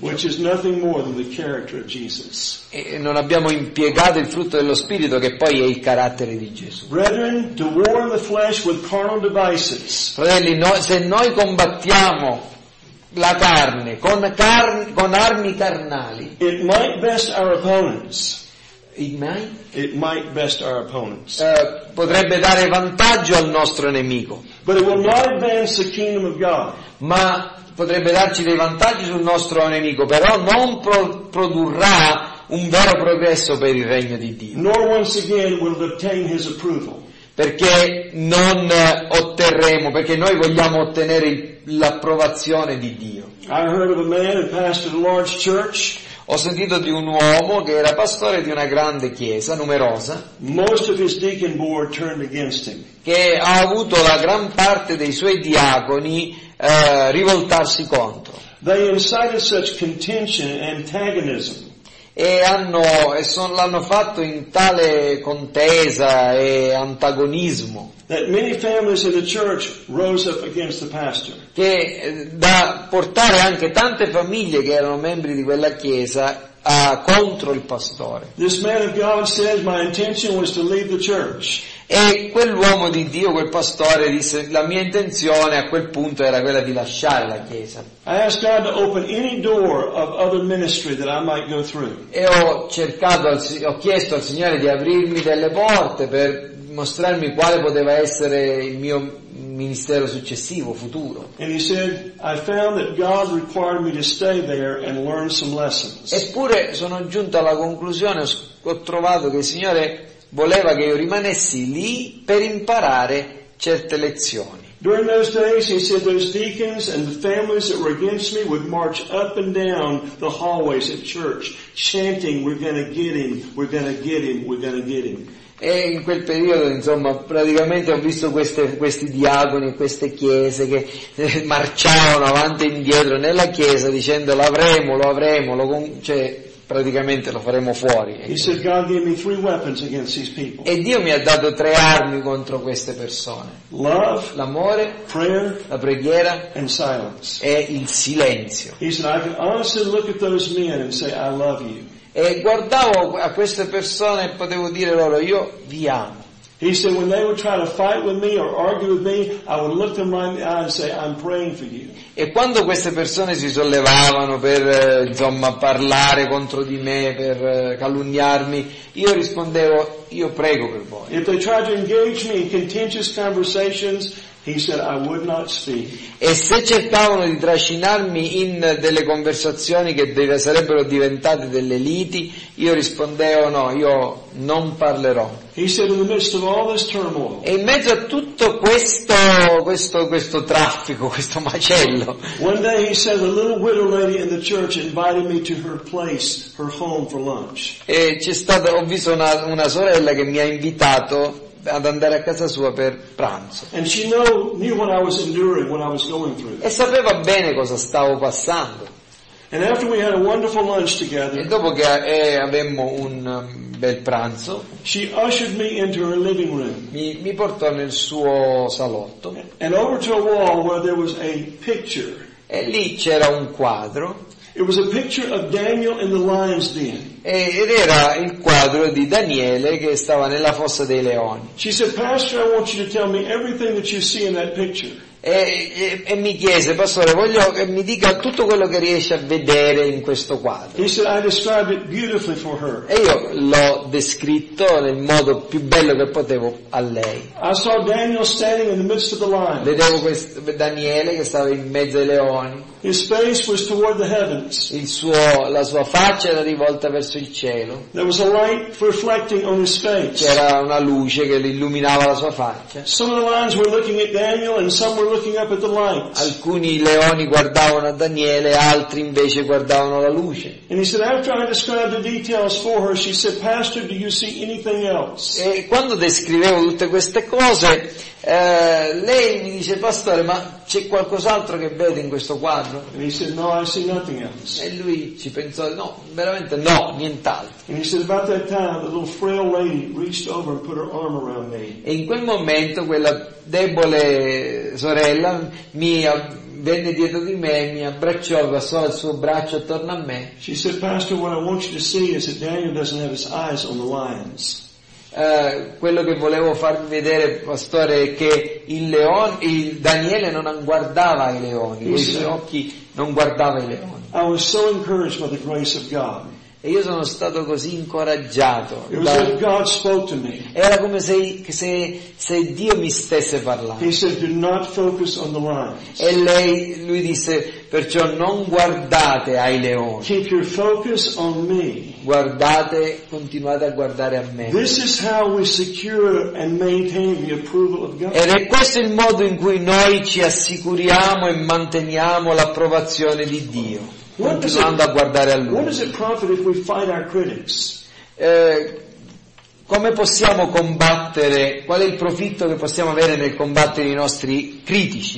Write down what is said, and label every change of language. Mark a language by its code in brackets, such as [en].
[en] Which is nothing more than the character of Jesus. [it] E non abbiamo impiegato il frutto dello Spirito, che poi è il carattere di Gesù. [en] Brethren, to war in the flesh with carnal devices. [it] Fratelli, se noi combattiamo la carne con armi carnali, [en] it might best our opponents. It might best our opponents. [it] Potrebbe dare vantaggio al nostro nemico. [en] But it will not advance the kingdom of God. [it] Ma potrebbe darci dei vantaggi sul nostro nemico, però non produrrà un vero progresso per il regno di Dio. [en] Nor once again will it obtain his approval. [it] Perché non otterremo, perché noi vogliamo ottenere l'approvazione di Dio. [en] I heard of a man who pastored a large church. [it] Ho sentito di un uomo che era pastore di una grande chiesa, numerosa, [en] most of his deacon board turned against him. [it] Che ha avuto la gran parte dei suoi diaconi rivoltarsi contro. [en] They incited such contention and antagonism. [it] L'hanno fatto in tale contesa e antagonismo [en] that many families in the church rose up against the pastor. [it] Che da portare anche tante famiglie che erano membri di quella chiesa contro il pastore. [en] This man of God said my intention was to leave the church. [it] E quell'uomo di Dio, quel pastore, disse la mia intenzione a quel punto era quella di lasciare la chiesa. [en] I asked God to open any door of other ministry that I might go through. [it] E ho chiesto al Signore di aprirmi delle porte per mostrarmi quale poteva essere il mio ministero successivo, futuro. [en] And he said, I found that God required me to stay there and learn some lessons. [it] Eppure sono giunto alla conclusione, ho trovato che il Signore voleva che io rimanessi lì per imparare certe lezioni. [en] During those days, he said, those deacons and the families that were against me would march up and down the hallways at church, chanting, we're gonna get him, we're gonna get him, we're gonna get him. [it] E in quel periodo, insomma, praticamente ho visto questi diaconi e queste chiese che marciavano avanti e indietro nella chiesa dicendo lo avremo, cioè praticamente lo faremo fuori. [en] He said God gave me three weapons against these people. [it] E Dio mi ha dato tre armi contro queste persone. [en] Love, [it] l'amore, [en] prayer, [it] la preghiera, [en] and silence. [it] E il silenzio. [en] He said I can honestly look at those men and say I love you. [it] E guardavo a queste persone e potevo dire loro io vi amo. [en] He said, when they would try to fight with me or argue with me, I would look them right in the eye and say, I'm praying for you. [it] E quando queste persone si sollevavano per insomma parlare contro di me, per calunniarmi, io rispondevo, io prego per voi. [en] If they tried to engage me in contentious conversations, he said, I would not speak. [it] E se cercavano di trascinarmi in delle conversazioni che sarebbero diventate delle liti, io rispondevo, no, io non parlerò. [en] He said, in the midst of all this turmoil, [it] e in mezzo a tutto questo traffico, questo macello, [en] one day he said, a little widow lady in the church invited me to her place, her home for lunch. [it] E c'è stata, ho visto una sorella che mi ha invitato ad andare a casa sua per pranzo. [en] And she knew what I was enduring, what I was going through. [it] E sapeva bene cosa stavo passando. [en] And after we had a wonderful lunch together, [it] e dopo che avemmo un bel pranzo, [en] she ushered me into her living room. [it] Mi portò nel suo salotto. [en] And over to a wall where there was a picture. [it] E lì c'era un quadro. [en] It was a picture of Daniel in the lion's den. [it] Ed era il quadro di Daniele che stava nella fossa dei leoni. [en] She said, "Pastor, I want you to tell me everything that you see in that picture." [it] E mi chiese, pastore, voglio che mi dica tutto quello che riesce a vedere in questo quadro. [en] He said, "I described it beautifully for her." [it] E io l'ho descritto nel modo più bello che potevo a lei. [en] I saw Daniel standing in the midst of the lions. [it] Vedevo questo Daniele che stava in mezzo ai leoni. [en] His face was toward the heavens. [it] La sua faccia era rivolta verso il cielo. [en] There was a light reflecting on his face. [it] C'era una luce che illuminava la sua faccia. [en] Some of the lions were looking at Daniel and some were looking up at the light. [it] Alcuni leoni guardavano a Daniele, altri invece guardavano la luce. [en] And he said, after I described the details for her, she said, "Pastor, do you see anything else?" [it] E quando descrivevo tutte queste cose, lei mi dice, pastore, ma c'è qualcos'altro che vedo in questo quadro? [en] And he said, "No, I see nothing else." [it] E lui ci pensò, no, veramente no, nient'altro. [en] And he said, "About that time, the little frail lady reached over and put her arm around me." [it] E in quel momento quella debole sorella venne dietro di me, mi abbracciò, passò il suo braccio attorno a me. [en] She said, "Pastor, what I want you to see is that Daniel doesn't have his eyes on the lions." [it] Quello che volevo farvi vedere, pastore, è che il Daniele non guardava i leoni, i suoi occhi non guardava i leoni. [en] I was so encouraged by the grace of God. [it] E io sono stato così incoraggiato. [en] God spoke to me. [it] Era come se Dio mi stesse parlando. [en] He said, "Do not focus on the lions." [it] E lui disse, perciò non guardate ai leoni. [en] Keep your focus on me. [it] Guardate, continuate a guardare a me. [en] This is how we secure and maintain the approval of God. [it] Ed è questo il modo in cui noi ci assicuriamo e manteniamo l'approvazione di Dio. Continuando a guardare a lui. [en] What does it profit if we fight our critics? [it] Come possiamo combattere? Qual è il profitto che possiamo avere nel combattere i nostri critici?